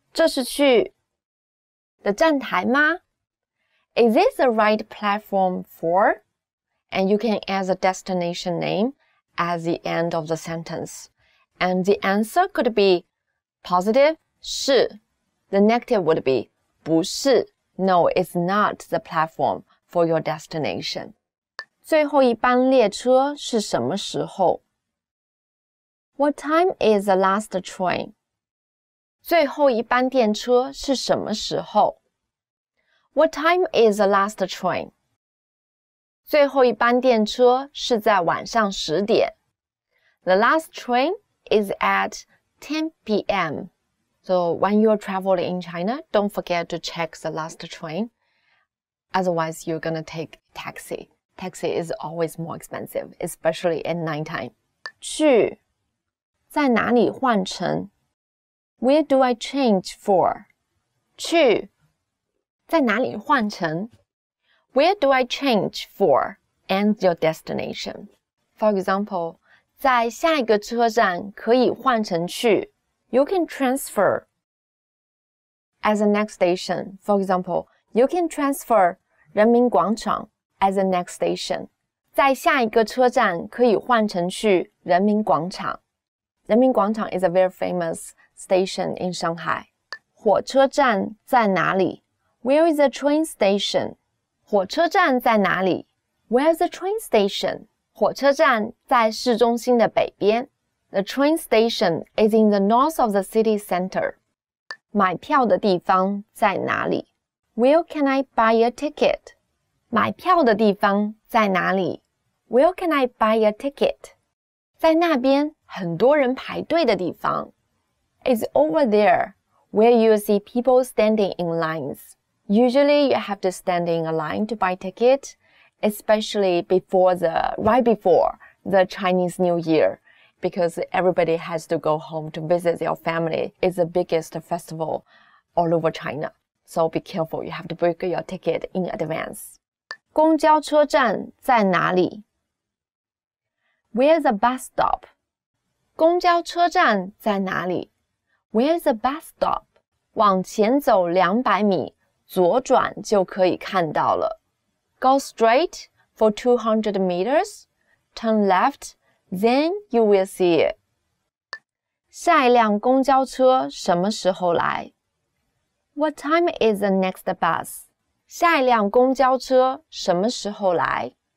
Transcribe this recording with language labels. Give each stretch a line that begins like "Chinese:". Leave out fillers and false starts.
Chinese: 这是去的站台吗
English: Is this the right platform for? And you can add the destination name at the end of the sentence. And the answer could be positive, 是. The negative would be 不是.No, it's not the platform for your destination.
Chinese: 最后一班列车是什么时候?
English: What time is the last train?
Chinese: 最后一班电车是什么时候?
English: What time is the last train?
Chinese: 最后一班电车是在晚上十点。
English: The last train is at 10 p.m. So when you're traveling in China, don't forget to check the last train. Otherwise, you're going to take taxi. Taxi is always more expensive, especially at nighttime.
Chinese: 去在哪里换乘?
English: Where do I change for?
Chinese: 去在哪里换乘?
English: Where do I change for? And your destination. For example,
Chinese: 在下一个车站可以换乘去。
English: You can transfer at the next station. For example, you can transfer 人民广场 at the next station.
Chinese: 在下一个车站可以换乘去人民广场。
English: 人民广场 is a very famous station in Shanghai.
Chinese: 火车站在哪里?
English: Where is the train station?
Chinese: 火车站在哪里?
English: Where is the train station?
Chinese: 火车站在市中心的北边。
English: The train station is in the north of the city center.
Chinese: 买票的地方在哪里?
English: Where can I buy a ticket?
Chinese: 买票的地方在哪里?
English: Where can I buy a ticket?
Chinese: 在那边很多人排队的地方。
English: It's over there where you see people standing in lines. Usually you have to stand in a line to buy ticket, especially right before the Chinese New Year, because everybody has to go home to visit their family. It's the biggest festival all over China. So be careful, you have to book your ticket in advance.
Chinese: 公交车站在哪里?
English: Where's the bus stop?
Chinese: 公交车站在哪里?
English: Where's the bus stop?
Chinese: 往前走200米,左转就可以看到了。
English: Go straight for 200 meters, turn left, then you will see it.
Chinese: 下一辆公交车什么时候来?
English: What time is the next bus?
Chinese: 下一辆公交车什么时候来?